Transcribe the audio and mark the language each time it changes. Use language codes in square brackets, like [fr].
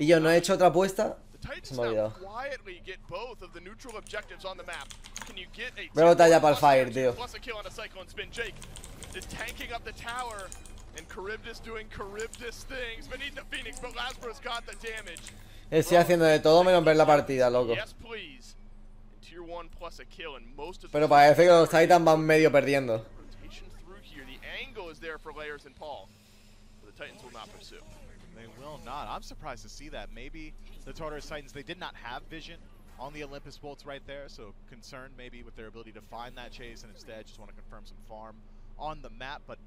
[es] y yo no he hecho otra apuesta. [en] Quietly get both of the neutral objectives on the map. Can you get a [es] bro, talla para el fire, tío. [en] Plus a kill on a Cyclone Spin. Jake is tanking up the tower and Charybdis doing Charybdis things. We need the Phoenix, but Lazarus got the damage. [es] Estoy haciendo de todo menos ver la partida, loco. [en] Yes, please. Tier 1 plus a kill and most of [es] pero parece que los Titans van medio perdiendo. [en] Rotation through here. The angle is there for Layers and Paul. But the Titans will not pursue. They will not. I'm surprised to see that. Maybe the Tartarus Titans, they did not have vision on the Olympus Bolts right there, so concerned maybe with their ability to find that chase, and instead just want to confirm some farm on the map.